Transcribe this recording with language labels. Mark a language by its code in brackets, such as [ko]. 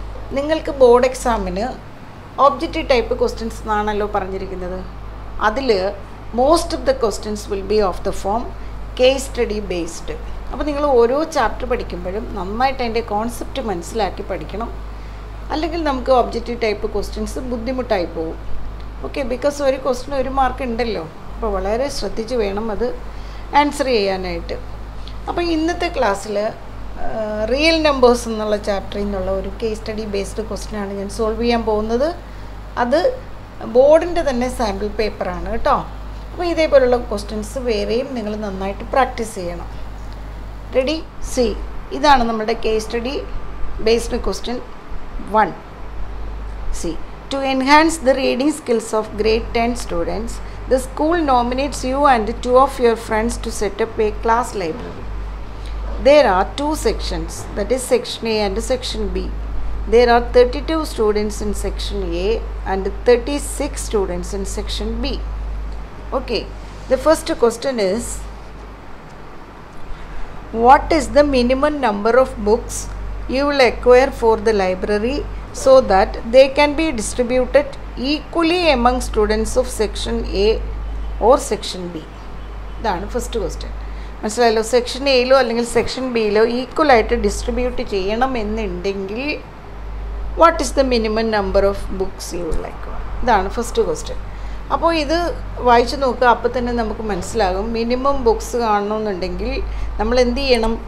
[en] You have a board exam. Objective type questions are going to be asked. Most of the questions will be of the form case study based. Now, you have to learn one chapter. You have to learn a concept. You have to learn objective type questions. Buddhimu type. Okay, because one question is one mark. [ml] അപ്പോൾ വളരെ ശ്രദ്ധിച്ച് വേണം അത് answer ചെയ്യാനായിട്ട്. അപ്പോൾ ഇന്നത്തെ ക്ലാസ്സിൽ real numbers എന്നുള്ള ചാപ്റ്ററിൽ നിന്നുള്ള ഒരു കേസ് സ്റ്റഡി ബേസ്ഡ് ക്വസ്റ്റ്യൻ ആണ് ഞാൻ സോൾവ് ചെയ്യാൻ പോകുന്നത്. അത് ബോർഡിൻ്റെ തന്നെ സാമ്പിൾ പേപ്പറാണ് കേട്ടോ. അപ്പോൾ ഇതേപോലുള്ള ക്വസ്റ്റ്യൻസ് വേറെയും നിങ്ങൾ നന്നായിട്ട് പ്രാക്ടീസ് ചെയ്യണം. റെഡി സി, ഇതാണ് നമ്മുടെ case study based question one. [en] C, to enhance the reading skills of grade ten students The school nominates you and two of your friends to set up a class library. There are two sections, that is section A and section B. There are 32 students in section A and 36 students in section B. Okay, the first question is, what is the minimum number of books you will acquire for the library so that they can be distributed equally among students of section A or section B? [ml] ഇതാണ് first question. മനസ്സിലായല്ലോ. Section എയിലോ അല്ലെങ്കിൽ section ബിയിലോ equal ആയിട്ട് distribute ചെയ്യണം എന്നുണ്ടെങ്കിൽ [en] What is the minimum number of books you like? [ml] ഇതാണ് first question. അപ്പോൾ ഇത് വായിച്ചു നോക്കുക, അപ്പോൾ തന്നെ നമുക്ക് മനസ്സിലാകും. മിനിമം ബുക്സ് കാണണമെന്നുണ്ടെങ്കിൽ നമ്മൾ എന്ത് ചെയ്യണം?